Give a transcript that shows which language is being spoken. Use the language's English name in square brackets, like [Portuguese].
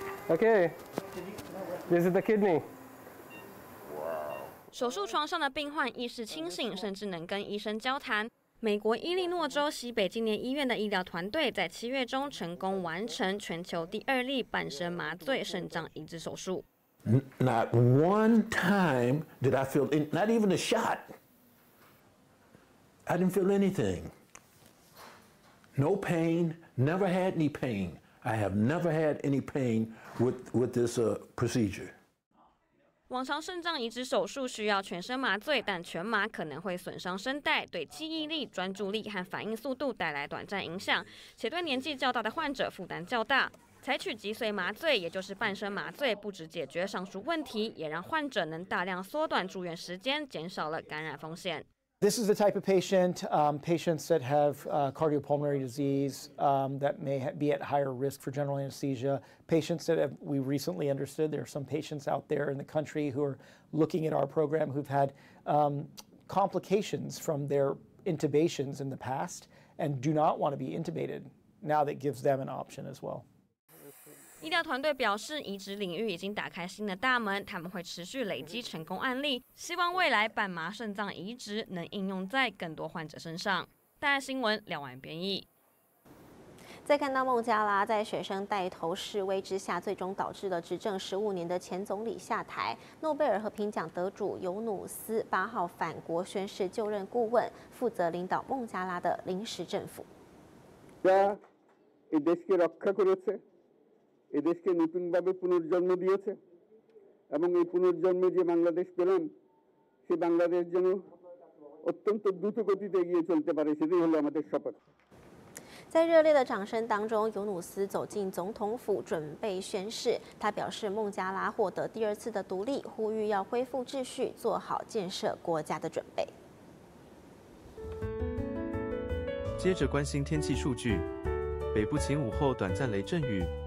[English] Okay, this is the kidney. [Chinese] 手术床上的病患意识清醒，甚至能跟医生交谈。美国伊利诺州西北纪念医院的医疗团队在七月中成功完成全球第二例半身麻醉肾脏移植手术。 [English] Not one time did I feel not even a shot. I didn't feel anything. No pain. Never had any pain. I have never had any pain with this procedure. [Chinese] 往常肾脏移植手术需要全身麻醉，但全麻可能会损伤声带，对记忆力、专注力和反应速度带来短暂影响，且对年纪较大的患者负担较大。采取脊髓麻醉，也就是半身麻醉，不只解决上述问题，也让患者能大量缩短住院时间，减少了感染风险。 [English] This is the type of patient, patients that have cardiopulmonary disease that may be at higher risk for general anesthesia. Patients that have, we recently understood, there are some patients out there in the country who are looking at our program who've had complications from their intubations in the past and do not want to be intubated. Now that gives them an option as well. [Chinese] 医疗团队表示，移植领域已经打开新的大门，他们会持续累积成功案例，希望未来半麻肾脏移植能应用在更多患者身上。大爱新闻廖婉编译。再看到孟加拉，在学生带头示威之下，最终导致了执政15年的前总理下台。诺贝尔和平奖得主尤努斯8号返国宣誓就任顾问，负责领导孟加拉的临时政府。 [Bangla] এই দেশকে নতুনভাবে পুনর্জন্ম দিয়েছে এবং এই পুনর্জন্মে যে বাংলাদেশ পেলাম সেই বাংলাদেশ যেন অত্যন্ত দ্রুত গতিতে এগিয়ে চলতে পারে সেটাই হলো আমাদের শপথ。 [Chinese] 在热烈的掌声当中，尤努斯走进总统府准备宣誓。他表示，孟加拉获得第二次的独立，呼吁要恢复秩序，做好建设国家的准备。接着关心天气数据，北部晴午后短暂雷阵雨。